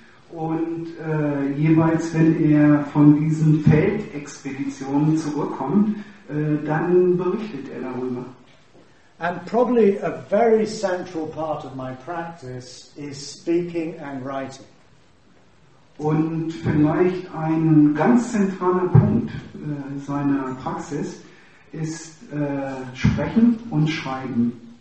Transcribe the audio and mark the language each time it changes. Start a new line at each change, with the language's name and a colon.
German: Und jeweils, wenn er von diesen Feldexpeditionen zurückkommt, dann berichtet er darüber.
English: And probably a very central part of my practice is speaking and writing.
German: Und vielleicht ein ganz zentraler Punkt seiner Praxis ist Sprechen und Schreiben.